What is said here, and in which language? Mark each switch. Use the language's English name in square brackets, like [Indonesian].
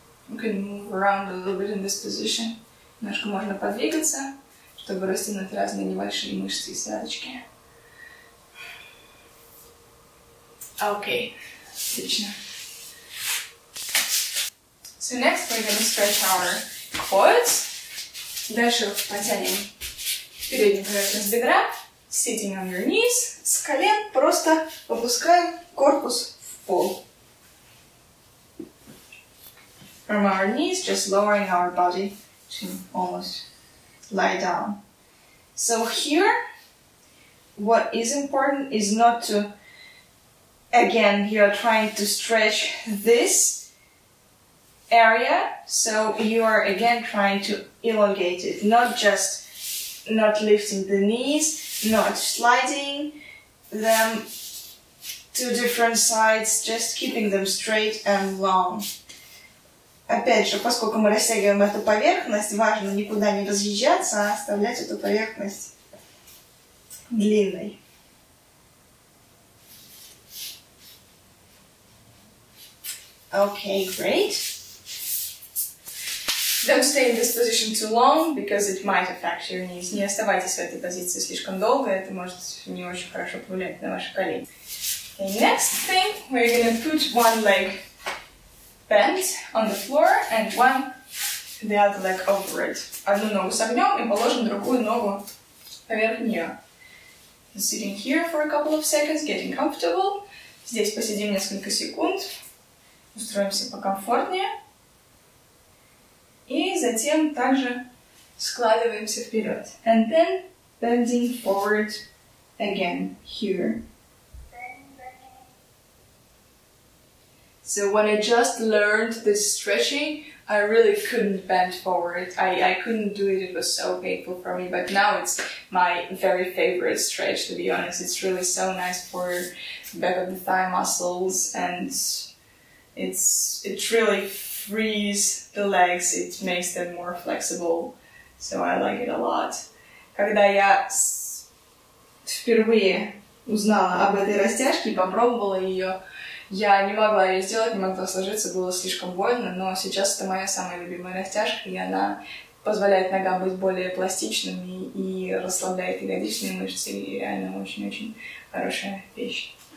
[English] We can move around a little bit in this position. [Russian] Немножко можно подвигаться, чтобы растянуть разные небольшие мышцы и связочки. [English] Okay. [Russian] Отлично. [English] So next we're going to stretch our quads. [Russian] Дальше потянем переднюю поверхность бедра. [English] Sitting on your knees. [Russian] С колен просто опускаем корпус в пол. [English] From our knees, just lowering our body to almost lie down. So here, what is important is not to, again, you are trying to stretch this area, so you are again trying to elongate it, not just not lifting the knees, not sliding them to different sides, just keeping them straight and long. [Russian] Опять же, поскольку мы растягиваем эту поверхность, важно никуда не разъезжаться, а оставлять эту поверхность длинной. [English] Okay, great. Don't stay in this position too long, because it might affect your knees. [Russian] Не оставайтесь в этой позиции слишком долго, это может не очень хорошо повлиять на ваши колени. [English] Okay, next thing, we're gonna put one leg bent on the floor and one the other leg over it. [Russian] Одну ногу согнем и положим другую ногу поверх нее. [English] Sitting here for a couple of seconds, getting comfortable. [Russian] Здесь посидим несколько секунд, устроимся покомфортнее. И затем также складываемся вперед. [English] And then bending forward again here. So when I just learned this stretching, I really couldn't bend forward. I couldn't do it, it was so painful for me. But now it's my very favorite stretch, to be honest. It's really so nice for back of the thigh muscles, and it really frees the legs, it makes them more flexible. So I like it a lot. [Russian] Когда я впервые узнала об этой растяжке, попробовала ее, я не могла ее сделать, не могла сложиться, было слишком больно, но сейчас это моя самая любимая растяжка, и она позволяет ногам быть более пластичными и расслабляет ягодичные мышцы, и реально очень-очень хорошая вещь.